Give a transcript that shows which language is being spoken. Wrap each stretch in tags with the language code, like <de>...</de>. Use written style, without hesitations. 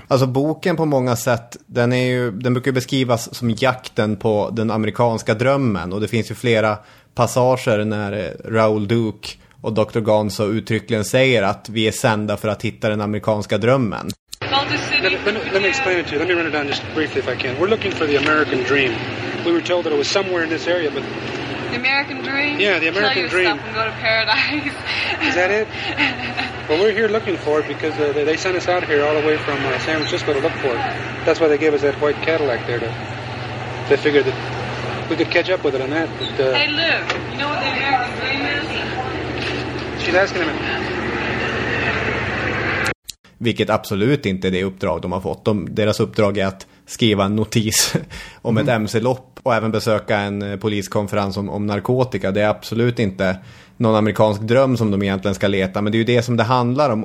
<sv>Alltså boken på många sätt, den brukar beskrivas som jakten på den amerikanska drömmen. Och det finns ju flera passager när Raoul Duke och Dr. Gonzo uttryckligen säger att vi är sända för att hitta den amerikanska drömmen.</sv> <en>Let me explain it to you. Let me run it down just briefly if I can. We're looking for the American dream. We were told that it was somewhere in this area, but... The American dream? Yeah, the American dream. Tell yourself and go to paradise. Is that it? Well, we're here looking for it because they sent us out here all the way from San Francisco to look for it. That's why they gave us that white Cadillac there. They figured that we could catch up with it on that. But, hey, Lou, you know what the American dream is? She's asking him.</en> <sv>Vilket absolut inte är det uppdrag de har fått. Deras uppdrag är att skriva en notis om ett MC-lopp och även besöka en poliskonferens om narkotika. Det är absolut inte någon amerikansk dröm som de egentligen ska leta, men det är ju det som det handlar om.</sv>